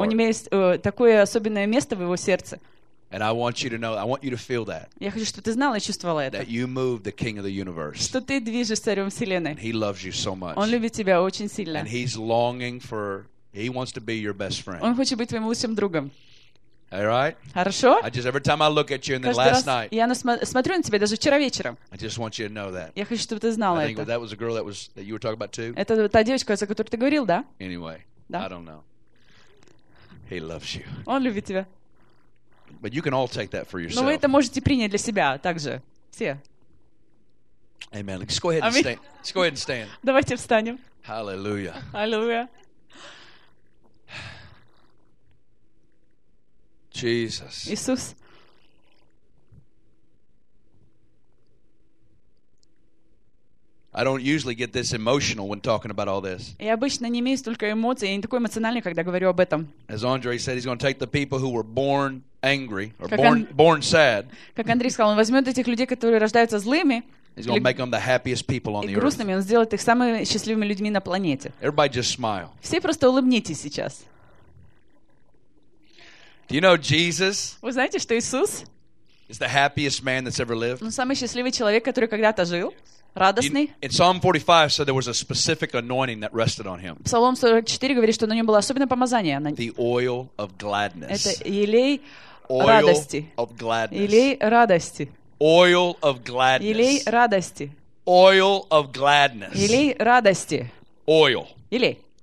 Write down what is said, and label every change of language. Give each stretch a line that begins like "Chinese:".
Russian: У него есть такое особенное место в его сердце.
English: And I want you to know, I want you to feel that.
Russian: Я хочу, чтобы ты знал и чувствовал это.
English: That you move the King of the Universe.
Russian: Что ты движешь царем вселенной.
English: And he loves you so much.
Russian: Он любит тебя очень сильно.
English: And he's longing for, he wants to be your best friend.
Russian: Он хочет быть твоим лучшим другом.
English: All right.
Russian: Хорошо.
English: I just every time I look at you, and then last night.
Russian: Я смотрю на тебя даже вчера вечером.
English: I just want you to know that.
Russian: Я хочу, чтобы ты знал это.
English: I think that was a girl that you were talking about too.
Russian: Это та девочка, о которой ты говорил, да?
English: Anyway.
Russian: Да.
English: I don't know. He loves you.
Russian: Он любит тебя.
English: But you can all take that for yourself.
Russian: Но вы это можете принять для себя также все.
English: Amen. Let's go ahead and stand. Let's go ahead and stand.
Russian: Давайте встанем.
English: Hallelujah. Hallelujah. Jesus.
Russian: Иисус.
English: I don't usually get this emotional when talking about all this.
Russian: Я обычно не имею столько эмоций, я не такой эмоциональный, когда говорю об этом.
English: As Andre said, he's going to take the people who were born angry or born sad.
Russian: Как Андрей сказал, он возьмет этих людей, которые рождаются злыми.
English: He's going to make them the happiest people on the earth.
Russian: И грустными он сделает их самыми счастливыми людьми на планете.
English: Everybody just smile.
Russian: Все просто улыбнитесь сейчас.
English: Do you know Jesus?
Russian: Вы знаете, что Иисус?
English: Is the happiest man that's ever lived.
Russian: Он самый счастливый человек, который когда-то жил. Радостный.
English: In Psalm 45, said there was a specific anointing that rested on him.
Russian: Псалом 44 говорит, что на нем было особенное помазание.
English: The oil of gladness.
Russian: Это елей радости.
English: Oil of gladness.
Russian: Елей радости.
English: Oil of gladness.
Russian: Елей радости.
English: Oil of gladness.
Russian: Елей радости.
English: Oil.
Russian: Елей.